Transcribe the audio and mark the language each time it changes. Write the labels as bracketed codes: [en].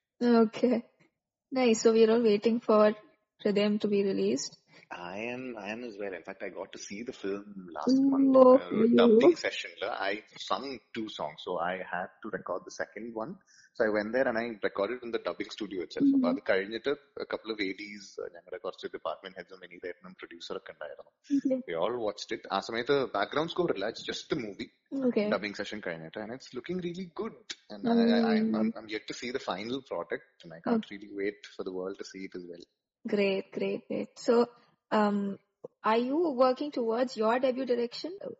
[en] Okay. Nice. So we're all waiting for Hrudayam to be released. I am as well. In fact, I got to see the film last month, Oh, dubbing okay. session. I sung two songs, so I had to record the second one. So I went there and I recorded in the dubbing studio itself. [ml] അപ്പൊ അത് കഴിഞ്ഞിട്ട് [en] a couple of ADs [ml] ഞങ്ങളുടെ കുറച്ച് department ഹെഡ്സും വിനീതേട്ടനും പ്രൊഡ്യൂസറൊക്കെ ഉണ്ടായിരുന്നു. [en] We all watched it. [ml] ആ സമയത്ത് background score ഇല്ല, [en] It's just a movie. Okay. Dubbing session [ml] കഴിഞ്ഞിട്ട് [en] and it's looking really good. And I'm yet to see the final product and I can't really wait for the world to see it as well. Great, great, great. So, are you working towards your debut direction?